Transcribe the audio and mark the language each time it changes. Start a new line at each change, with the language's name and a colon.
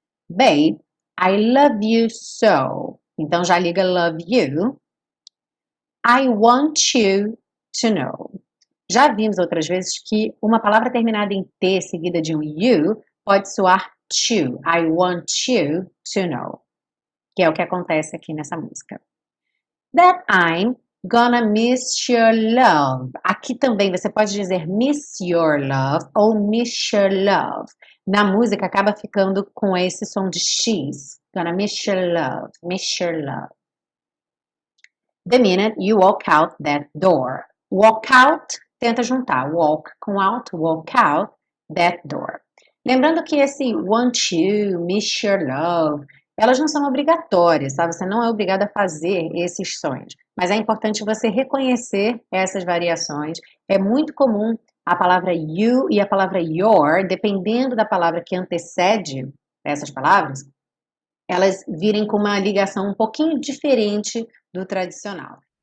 English: Babe, I love you so.
Portuguese: Então já liga
English: love you. I want you to know.
Portuguese: Já vimos outras vezes que uma palavra terminada em T seguida de um you pode soar to.
English: I want you to know.
Portuguese: Que é o que acontece aqui nessa música.
English: That I'm gonna miss your love.
Portuguese: Aqui também você pode dizer miss your love ou miss your love. Na música acaba ficando com esse som de X.
English: Gonna miss your love, miss your love. The minute you walk out that door. Walk out,
Portuguese: tenta juntar.
English: Walk com out, walk out that door.
Portuguese: Lembrando que esse want you, miss your love, elas não são obrigatórias, sabe? Você não é obrigado a fazer esses sons. Mas é importante você reconhecer essas variações. É muito comum a palavra you e a palavra your, dependendo da palavra que antecede essas palavras, elas virem com uma ligação um pouquinho diferente do tradicional.